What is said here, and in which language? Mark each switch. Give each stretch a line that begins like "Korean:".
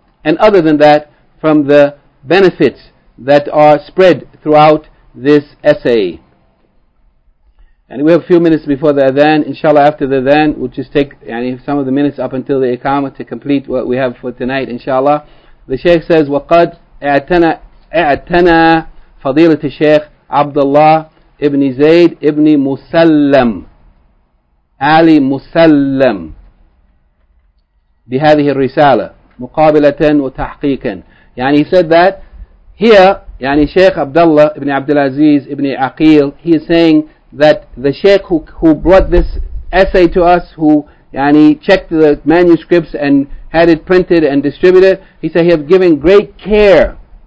English: And other than that, from the benefits that are spread throughout this essay. And we have a few minutes before the adhan. Inshallah, after the adhan, we'll just take some of the minutes up until the iqama to complete what we have for tonight, inshallah. The Shaykh says,
Arabic: وَقَدْ اَعْتَنَى فَضِيلَةِ الشَّيْخ عَبْدَ اللَّهِ إِبْنِ زَيْدِ إِبْنِ مُسَلَّمِ عَلِي مُسَلَّمِ بِهَذِهِ الرِّسَالَةِ مُقَابِلَةً وَتَحْقِيقًا.
English: يعني he said that here, Shaykh Abdullah ibn Abdulaziz ibn Aqil, he is saying that the Shaykh who brought this essay to us, who checked the manuscripts and had it printed and distributed, he said he has given great care.